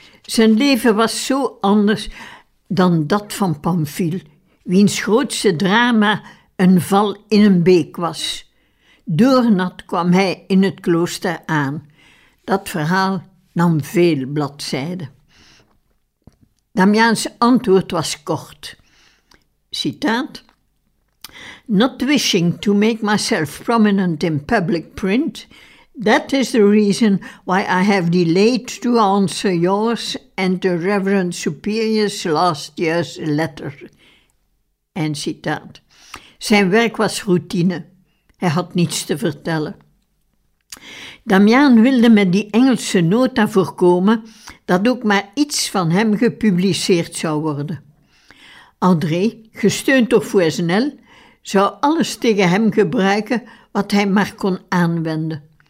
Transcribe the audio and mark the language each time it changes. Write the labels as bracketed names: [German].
[Dutch] Zijn leven was zo anders dan dat van Pamphile, wiens grootste drama een val in een beek was. Doornat kwam hij in het klooster aan. Dat verhaal nam veel bladzijden. Damiaans antwoord was kort. Citaat: [English] "Not wishing to make myself prominent in public print, that is the reason why I have delayed to answer yours and the Reverend Superior's last year's letter." [Dutch] En citaat. Zijn werk was routine. Hij had niets te vertellen. Damian wilde met die Engelse nota voorkomen dat ook maar iets van hem gepubliceerd zou worden. André, gesteund door Fouesnel, zou alles tegen hem gebruiken wat hij maar kon aanwenden.